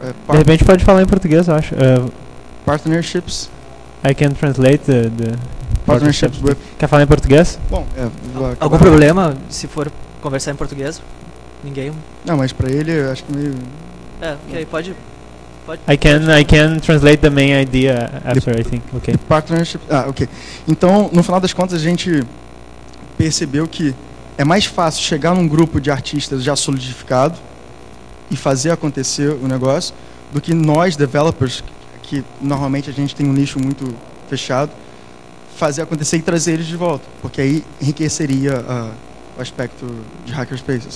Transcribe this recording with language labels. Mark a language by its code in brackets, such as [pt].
[pt] de repente pode falar em português, eu acho. [en] Partnerships. I can translate the partnerships. [pt] Quer falar em português? Bom, algum problema se for conversar em português? Ninguém. Não, mas para ele eu acho que meio. É, ok, pode. [en] I can translate the main idea after, I think. Okay. The partnership. Ah, okay. [pt] Então, no final das contas, a gente percebeu que é mais fácil chegar num grupo de artistas já solidificado e fazer acontecer o negócio do que nós, developers, que normalmente a gente tem um nicho muito fechado, fazer acontecer e trazer eles de volta, porque aí enriqueceria o aspecto de hackerspace.